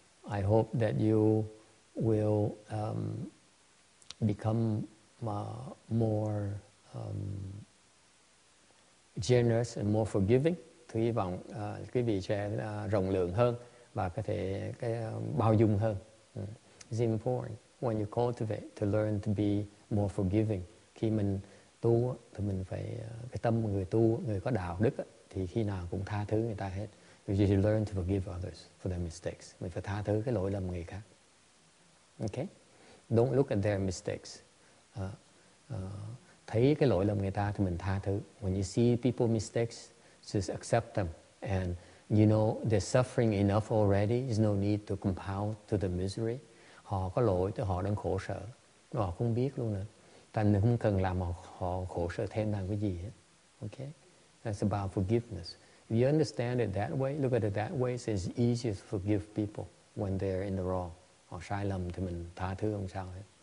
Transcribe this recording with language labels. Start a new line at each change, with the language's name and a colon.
English: I hope that you will become more generous and more forgiving.
Vietnamese: Tôi hy vọng quý vị sẽ rộng lượng hơn và có thể bao dung hơn.
English: It's important when you cultivate to learn to be more forgiving.
Vietnamese: Khi mình tu thì mình phải cái tâm người tu, người có đạo đức thì khi nào cũng tha thứ người ta hết.
English: You should learn to forgive others for their mistakes.
Vietnamese: Mình phải tha thứ cái lỗi lầm người khác. Okay?
English: Don't look at their mistakes.
Vietnamese: Thấy cái lỗi lầm người ta thì mình tha thứ.
English: When you see people's mistakes, just accept them. And you know they're suffering enough already. There's no need to compound to the misery.
Vietnamese: Họ có lỗi thì họ đang khổ sở. Họ không biết luôn nữa. Tại mình không cần làm họ khổ sở thêm làm cái gì hết.
English: Okay? That's about forgiveness. If you understand it that way, look at it that way, it's easier to forgive people when they're in the wrong.
Vietnamese: Họ sai lầm thì mình tha thứ không sao hết.